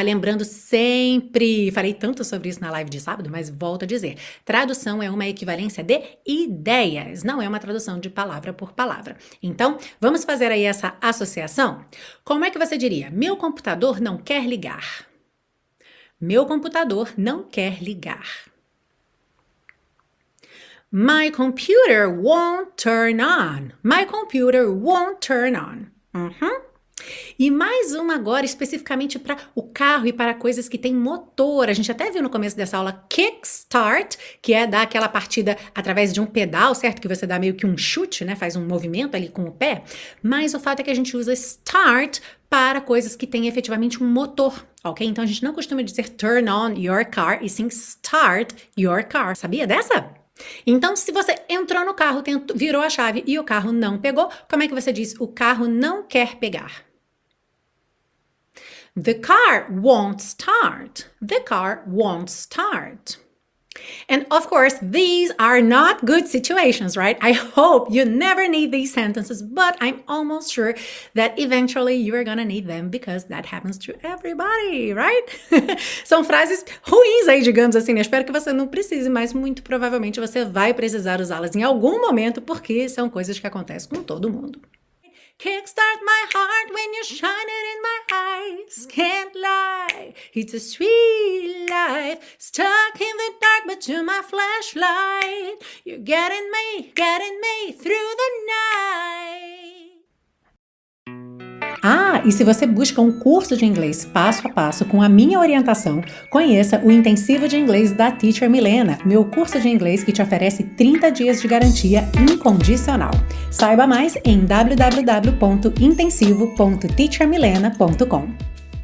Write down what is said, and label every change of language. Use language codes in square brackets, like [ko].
[pt] Lembrando sempre, falei tanto sobre isso na live de sábado, mas volto a dizer, tradução é uma equivalência de ideias, não é uma tradução de palavra por palavra. Então, vamos fazer aí essa associação? Como é que você diria? Meu computador não quer ligar. Meu computador não quer ligar. [en] My computer won't turn on. My computer won't turn on. Uhum. [pt] E mais uma agora, especificamente para o carro e para coisas que têm motor. A gente até viu no começo dessa aula, kickstart, que é dar aquela partida através de um pedal, certo? Que você dá meio que um chute, né? Faz um movimento ali com o pé. Mas o fato é que a gente usa start para coisas que têm efetivamente um motor, ok? Então a gente não costuma dizer [en] turn on your car, [pt] e sim [en] start your car. [pt] Sabia dessa? Então, se você entrou no carro, virou a chave e o carro não pegou, como é que você diz? O carro não quer pegar. [en] The car won't start. The car won't start. And of course, these are not good situations, right? I hope you never need these sentences, but I'm almost sure that eventually you are gonna need them because that happens to everybody, right? [pt] São frases ruins aí, digamos assim, né? Espero que você não precise, mas muito provavelmente você vai precisar usá-las em algum momento porque são coisas que acontecem com todo mundo. [en] Kickstart my heart when you shine it in my eyes. Can't lie, it's a sweet life. Stuck in the dark but to my flashlight. You're getting me through the night. [pt] Ah, e se você busca um curso de inglês passo a passo com a minha orientação, conheça o Intensivo de Inglês da Teacher Milena, meu curso de inglês que te oferece 30 dias de garantia incondicional. Saiba mais em www.intensivo.teachermilena.com.